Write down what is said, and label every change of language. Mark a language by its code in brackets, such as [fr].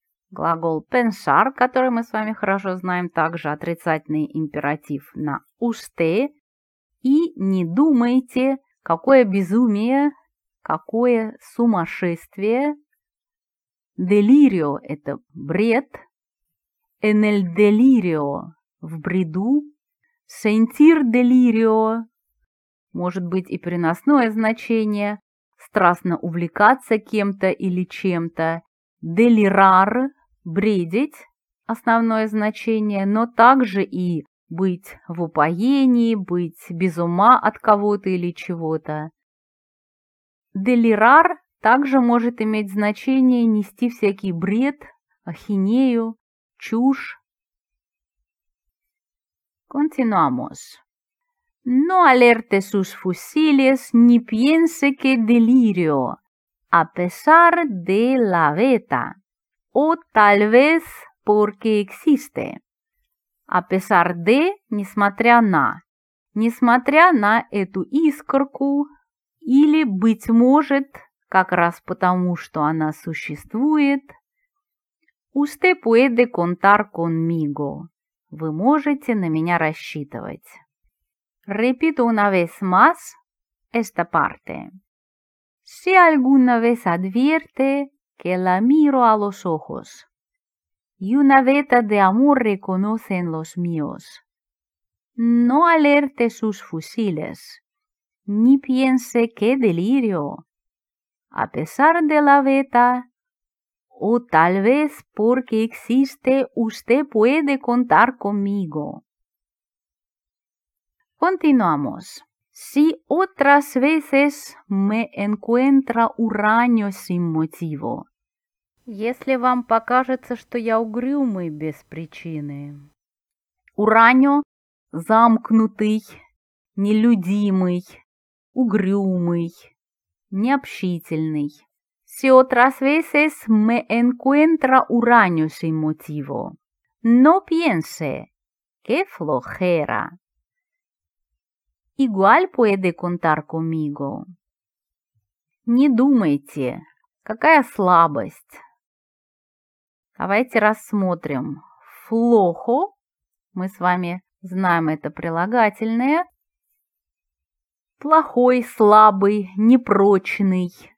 [ru] Глагол pensar, который мы с вами хорошо знаем, также отрицательный императив на usted. И не думайте, какое безумие, какое сумасшествие. Delirio – это бред. [es] En el delirio – [ru] в бреду. [es] Sentir delirio [ru] – может быть и переносное значение. Страстно увлекаться кем-то или чем-то. Delirar – бредить – основное значение, но также и быть в упоении, быть без ума от кого-то или чего-то. Delirar также может иметь значение нести всякий бред, ахинею. Чушь. [es] Continuamos. No alerte sus fusiles ni piense que delirio, a pesar de la veta, o tal vez porque existe. A pesar de, [ru] несмотря на, несмотря на эту искорку, или, быть может, как раз потому, что она существует, [es] Usted puede contar conmigo. [ru] Вы можете на меня рассчитывать. [es] Repito una vez más esta parte. Si alguna vez advierte que la miro a los ojos y una veta de amor reconoce en los míos, no alerte sus fusiles, ni piense qué delirio. A pesar de la veta, O tal vez porque existe, usted puede contar conmigo. Continuamos. Si otras veces me encuentra uranio sin motivo. [ru] Если вам покажется, что я угрюмый без причины. Uranio – замкнутый, нелюдимый, угрюмый, необщительный. [es] Si otras veces me encuentra uranio sin motivo, no piense, qué flojera. Igual puede contar conmigo. [ru] Не думайте, какая слабость. Давайте рассмотрим. Флохо. Мы с вами знаем это прилагательное. Плохой, слабый, непрочный.